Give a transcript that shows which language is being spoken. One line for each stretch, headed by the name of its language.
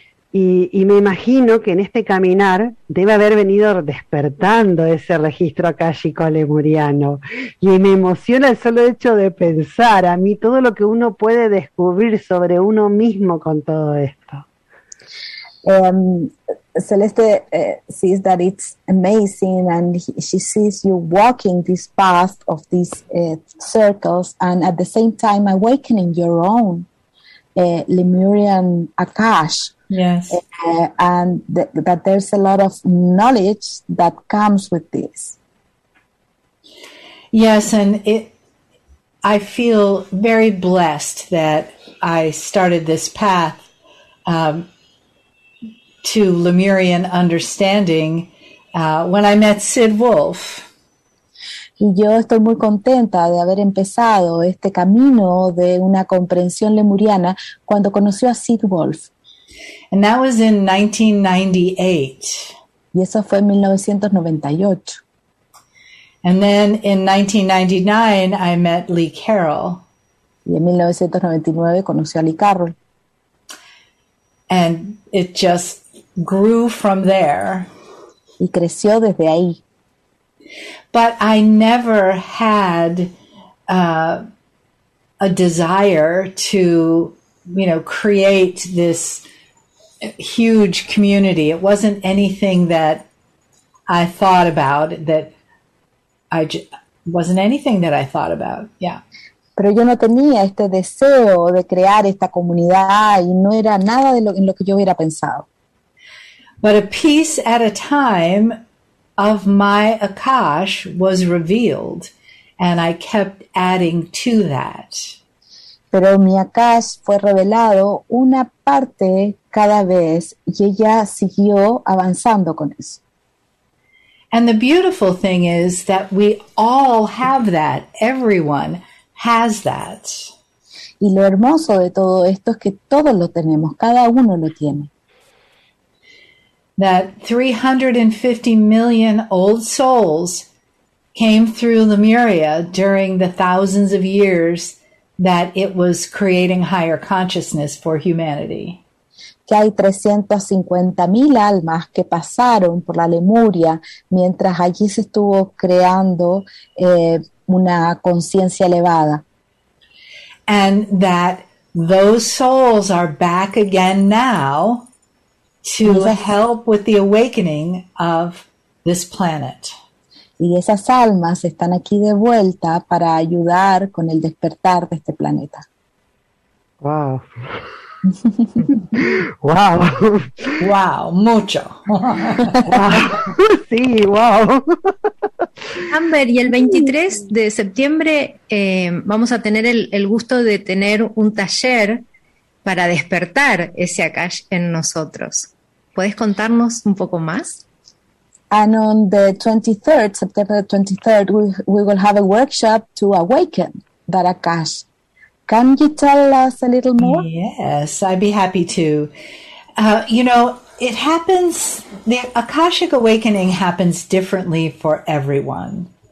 Spanish: Y me imagino que en este caminar debe haber venido despertando ese registro akáshico lemuriano. Y me emociona el solo hecho de pensar a mí todo lo que uno puede descubrir sobre uno mismo con todo esto.
English: Celeste sees that it's amazing, and she sees you walking this path of these circles, and at the same time awakening your own Lemurian Akash. Yes. And that there's a lot of knowledge that comes with this. Yes, and I feel very blessed that I started this path to Lemurian understanding when I met Sid Wolf.
Spanish: Y yo estoy muy contenta de haber empezado este camino de una comprensión lemuriana cuando conoció a Sid Wolf.
English: And that was in 1998.
Spanish: Y eso fue en 1998.
English: And then in 1999 I met Lee Carroll.
Spanish: Y en 1999 conoció a Lee Carroll.
English: And it just grew from there.
Spanish: Y creció desde ahí.
English: But I never had a desire to, you know, create this huge community. It wasn't anything that I thought about, yeah.
Spanish: Pero yo no tenía este deseo de crear esta comunidad y no era nada de lo en lo que yo hubiera pensado.
English: But a piece at a time of my Akash was revealed, and I kept adding to that.
Spanish: Pero mi Akash fue revelado una parte cada vez, y ella siguió avanzando con eso.
English: And the beautiful thing is that we all have that. Everyone has that.
Spanish: Y lo hermoso de todo esto es que todos lo tenemos, cada uno lo tiene.
English: That 350 million old souls came through Lemuria during the thousands of years that it was creating higher consciousness for humanity.
Spanish: Que hay 350,000 almas que pasaron por la Lemuria mientras allí se estuvo creando una conciencia elevada.
English: And that those souls are back again now to help with the awakening of this planet.
Spanish: Y esas almas están aquí de vuelta para ayudar con el despertar de este planeta.
English: Wow. Wow.
Spanish: Wow, mucho. Wow. Sí, wow. Amber, y el 23 de septiembre vamos a tener el gusto de tener un taller para despertar ese Akash en nosotros. ¿Puedes contarnos un poco más?
English: And on the 23rd, September 23rd, we will have a workshop to awaken that Akash. Can you tell us a little more? Yes, I'd be happy to. You know, it happens, the Akashic Awakening happens differently for everyone.